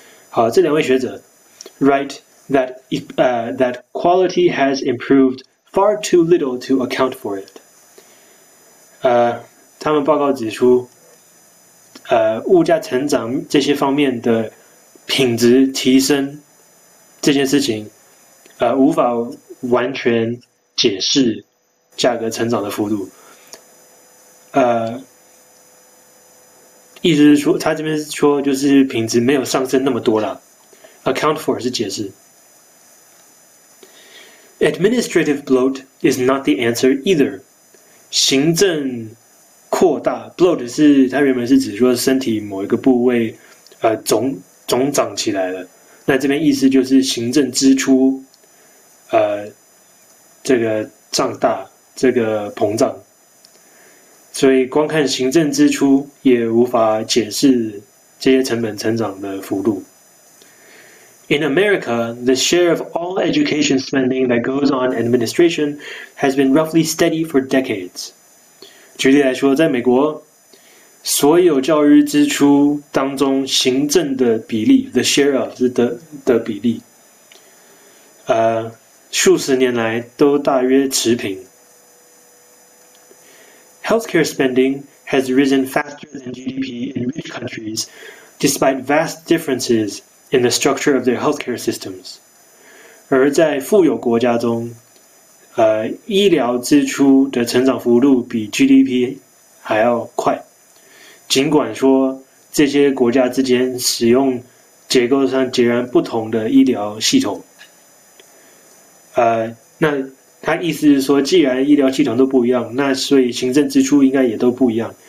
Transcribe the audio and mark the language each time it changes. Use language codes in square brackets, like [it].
[zh] 好，这两位学者 [en] write that that quality has improved far too little to account for it。 [zh] 他们报告指出，物价成长这些方面的品质提升这件事情，无法完全解释价格成长的幅度。意思是说，他这边是说，就是品质没有上升那么多啦。 Account for 是解释。 [en] Administrative bloat is not the answer either。 [zh] 行政扩大，bloat 是它原本是指说身体某一个部位，肿长起来了。那这边意思就是行政支出，这个胀大，这个膨胀。所以，光看行政支出也无法解释这些成本成长的幅度。 [en] In America, the share of all education spending that goes on administration has been roughly steady for decades. [zh] 举例来说，在美国，所有教育支出当中，行政的比例， [en] the share of [zh] 的比例，数十年来都大约持平。 [en] Healthcare spending has risen faster than GDP in rich countries, despite vast differences in the structure of their healthcare systems. [zh] 而在富有国家中，医疗支出的成长幅度比 GDP 还要快。尽管说这些国家之间使用结构上截然不同的医疗系统，他意思是说，既然医疗系统都不一样，那所以行政支出应该也都不一样。